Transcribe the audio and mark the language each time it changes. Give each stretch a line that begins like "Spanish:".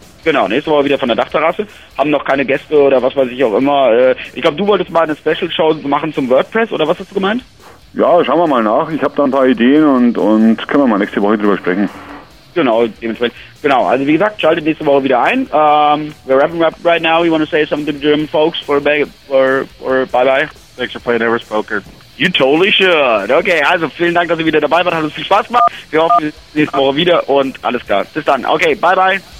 German: Genau, nächste Woche wieder von der Dachterrasse. Haben noch keine Gäste oder was weiß ich auch immer. Ich glaube, du wolltest mal eine Special-Show machen zum WordPress, oder was hast du gemeint? Ja, schauen wir mal nach. Ich habe da ein paar Ideen und können wir mal nächste Woche drüber sprechen. Genau, dementsprechend. Genau, also wie gesagt, schaltet nächste Woche wieder ein.
English: We're wrapping up right now. You want to say something to the German folks for bye-bye? Thanks for playing Everest Poker. You totally should.
German: Okay, also vielen Dank, dass ihr wieder dabei wart. Hat uns viel Spaß gemacht. Wir hoffen, nächste Woche wieder und alles klar. Bis dann. Okay, bye-bye.